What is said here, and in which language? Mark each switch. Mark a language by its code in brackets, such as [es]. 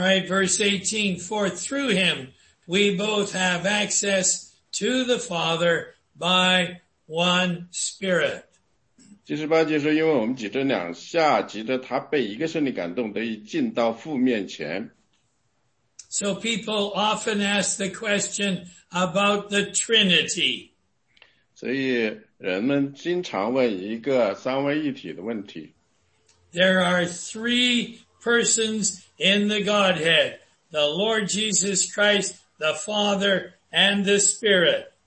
[en] right, verse 18. For through him we both have access to the Father by one Spirit. [zh] 第十八节说，因为我们几着两下，几着他被一个圣灵感动，得以进到父面前。 [en] So people often ask the question about the Trinity. [zh] 所以人们经常问一个三位一体的问题。 [en] There are three persons in the Godhead, the Lord Jesus Christ, the Father, and the Spirit.